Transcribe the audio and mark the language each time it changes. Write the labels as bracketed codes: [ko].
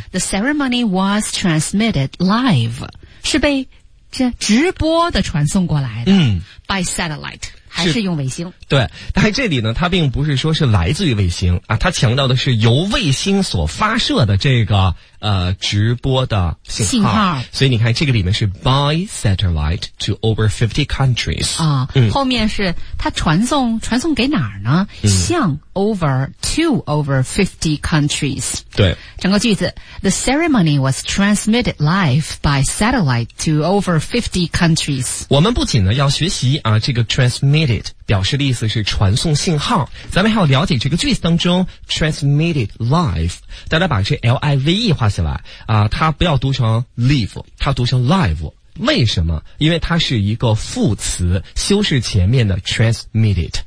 [en] ， the ceremony was transmitted live， [zh] 是被这直播的传送过来的。嗯， [en] by satellite [zh] 还是用卫星？对，但是这里呢，它并不是说是来自于卫星啊，它强调的是由卫星所发射的这个。直播的信号，所以你看这个里面是 [en] by satellite to over 50 countries [zh] 啊，嗯，后面是它传送给哪儿呢？嗯， [en] 向 over to over 50 countries。 [zh] 对，整个句子 [en] the ceremony was transmitted live by satellite to over 50 countries。 [zh] 我们不仅呢要学习啊这个 transmitted 表示的意思是传送信号，咱们还要了解这个句子当中 transmitted live， 大家把这 live 画下来啊，它不要读成 live， 它读成 live。为什么？因为它是一个副词，修饰前面的 transmitted。